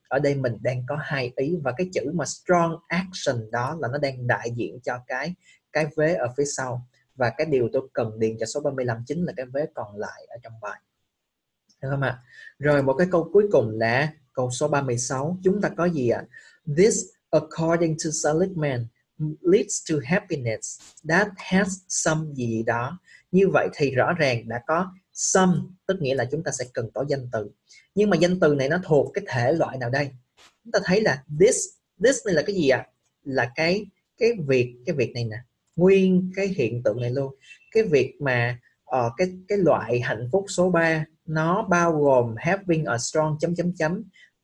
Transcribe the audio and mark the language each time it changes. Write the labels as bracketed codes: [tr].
[vi] ở đây mình đang có hai ý, và cái chữ mà strong action đó là nó đang đại diện cho cái vế ở phía sau. Và cái điều tôi cần điền cho số 35 chính là cái vế còn lại ở trong bài. Được không ạ? Rồi một cái câu cuối cùng là câu số 36. Chúng ta có gì ạ? [en] This, according to Seligman, leads to happiness that has some [vi] gì đó. Như vậy thì rõ ràng đã có some, tức nghĩa là chúng ta sẽ cần có danh từ. Nhưng mà danh từ này nó thuộc cái thể loại nào đây? Chúng ta thấy là this này là cái gì ạ? Là cái việc này nè. Nguyên cái hiện tượng này luôn. Cái việc mà cái loại hạnh phúc số 3 nó bao gồm [en] having a strong ...